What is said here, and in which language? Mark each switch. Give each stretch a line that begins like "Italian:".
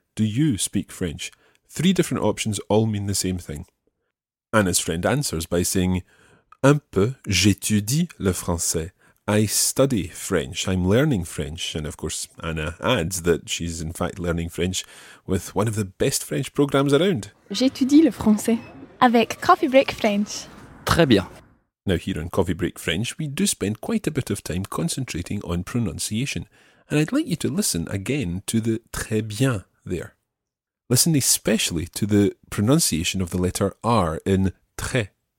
English: Do you speak French? Three different options all mean the same thing. Anna's friend answers by saying,
French: un peu, j'étudie le français.
English: I study French. I'm learning French. And of course, Anna adds that she's in fact learning French with one of the best French programs around.
French: J'étudie le français avec Coffee Break French. Très bien.
English: Now here on Coffee Break French, we do spend quite a bit of time concentrating on pronunciation. And I'd like you to listen again to the très bien there. Listen especially to the pronunciation of the letter R in très.